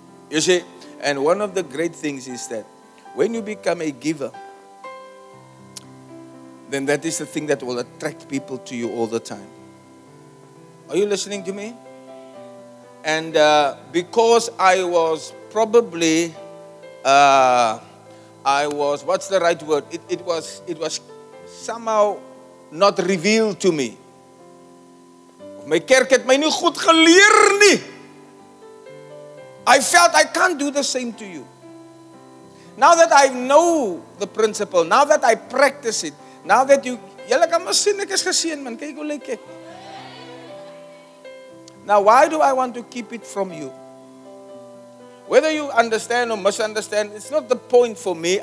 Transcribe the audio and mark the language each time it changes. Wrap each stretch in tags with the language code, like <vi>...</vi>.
<en>You see, and one of the great things is that when you become a giver, then that is the thing that will attract people to you all the time. Are you listening to me? And because I was probably, I was, what's the right word? It was somehow not revealed to me.</en> <af>My kerk het my nie goed geleer nie.</af> <en>I felt I can't do the same to you. Now that I know the principle, now that I practice it, now that you,</en> <af>julle kan maar sien ek is geseën man, kyk hoe lyk ek.</af> <en>Now why do I want to keep it from you? Whether you understand or misunderstand, it's not the point for me.</en>